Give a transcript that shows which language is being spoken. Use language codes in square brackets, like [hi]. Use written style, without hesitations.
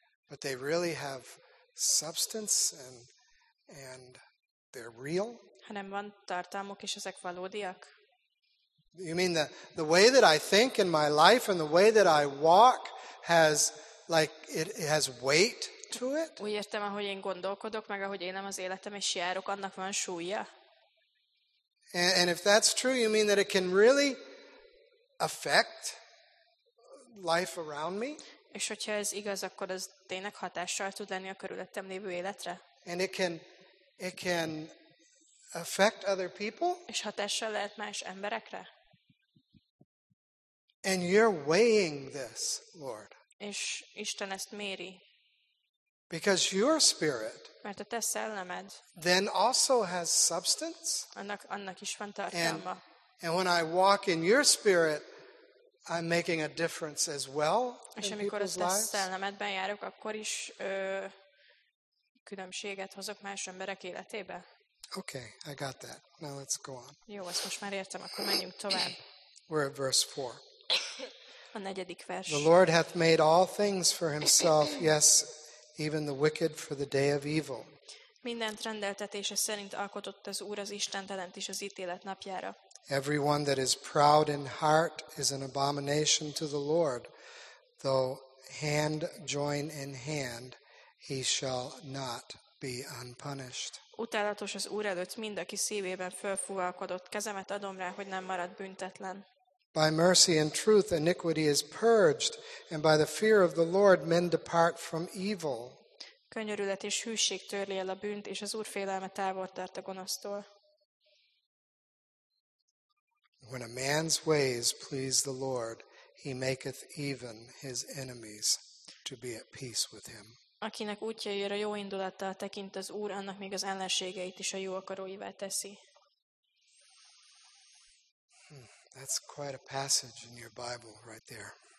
[en] But they really have substance and they're real. [hu] Hanem van tartalmuk, és ezek valódiak. [en] You mean the way that I think in my life and the way that I walk has like it has weight to it? [hu] Úgy értem, ahogy én gondolkodok, meg ahogy élem az életem és járok, annak van súlya. [en] And if that's true, you mean that it can really affect life around me? [hu] És hogyha ez igaz, akkor ez tényleg hatással tud lenni a körülöttem lévő életre? [en] And it can affect other people? [hu] És hatással lehet más emberekre? [en] And you're weighing this, Lord. [hu] És Isten ezt méri. [en] Because your spirit, [hu] mert a te szellemed, [en] then also has substance. [hu] Annak is van tartalma. [en] And when I walk in your spirit, I'm making a difference as well. [hu] És amikor a te szellemedben járok, akkor is különbséget hozok más emberek életébe. [en] Okay, I got that. Now let's go on. [hu] Jó, ezt most már értem, akkor menjünk tovább. [en] We're at verse 4. [hu] A negyedik vers. [en] The Lord hath made all things for himself, yes, even the wicked for the day of evil. [hu] Mindent rendeltetése szerint alkotott az Úr az istentelent is az ítélet napjára. [en] Everyone that is proud in heart is an abomination to the Lord, though hand join in hand, he shall not be unpunished. [hu] Utálatos az Úr előtt mind, aki szívében fölfúvalkodott, kezemet adom rá, hogy nem marad büntetlen. [en] By mercy and truth iniquity is purged, and by the fear of the Lord men depart from evil. [hu] Könyörület és hűség törli el a bűnt, és az Úr félelme távol tart a gonosztól. [en] When a man's ways please the Lord, he maketh even his enemies to be at peace with him. [hu] Akinek útjai a jó indulattal tekint az Úr, annak még az ellenségeit is a jó akaróivá teszi. [en] That's quite a passage in your Bible right there.